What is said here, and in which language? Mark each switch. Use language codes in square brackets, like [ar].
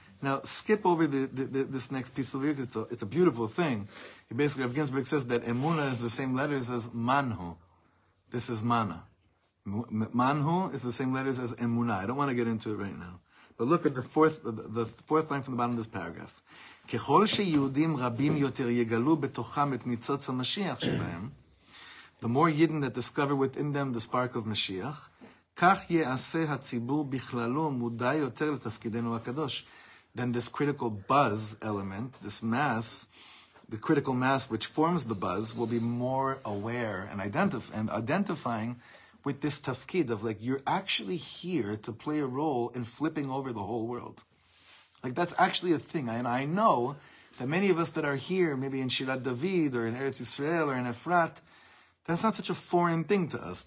[en] Now, skip over this next piece of here, because it's a beautiful thing. Basically, Rav Ginsburg says that Emuna is the same letters as Manhu. This is Mana. Manhu is the same letters as emuna. I don't want to get into it right now. But look at the fourth line from the bottom of this paragraph. [he] ככל שיהודים רבים יותר יגלו בתוכם את ניצוץ המשיח שבהם, the more Yidden that discover within them the spark of Mashiach, כך יעשה הציבור בכללו מודע יותר לתפקידנו הקדוש. [en] Then this critical buzz element, this mass, the critical mass which forms the buzz, will be more aware and identifying with this tafkid of like, you're actually here to play a role in flipping over the whole world. Like, that's actually a thing. And I know that many of us that are here, maybe in Shirat David or in Eretz Yisrael or in Efrat, that's not such a foreign thing to us.